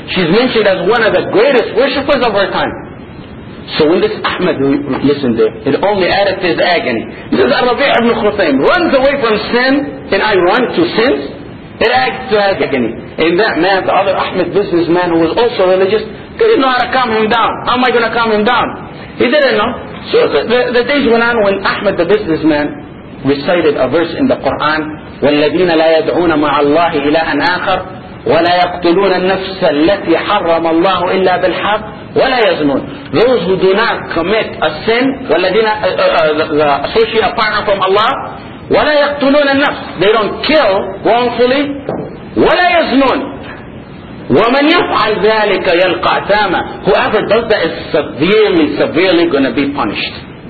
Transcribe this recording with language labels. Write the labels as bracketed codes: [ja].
[en] She's mentioned as one of the greatest worshippers of her time. So when this Ahmed listened to it, it only added to his agony. This is Rabi'ah ibn al-Khutaym runs away from sin and I run to sins. It adds to agony. And that man, the other Ahmed businessman who was also religious, didn't know how to calm him down. How am I going to calm him down? He didn't know. So the days went on when Ahmed the businessman recited a verse in the Quran, [ar] وَالَّذِينَ لَا يَدْعُونَ مَعَ اللَّهِ إِلَٰهًا آخَرَ وَلَا يَقْتُلُونَ النَّفْسَ الَّتِي حَرَّمَ اللَّهُ إِلَّا بِالْحَقِّ وَلَا يَزْنُونَ. [en] Those who do not commit a sin, the associate a partner from Allah, [ar] وَلَا يَقْتُلُونَ النَّفْسَ, [en] they don't kill wrongfully, [ar] وَلَا يَزْنُونَ. وَمَنْ يَفْعَلْ ذَٰلِكَ يَلْقَ عَثَامًا. [en] Whoever does that is severely, severely going to be punished.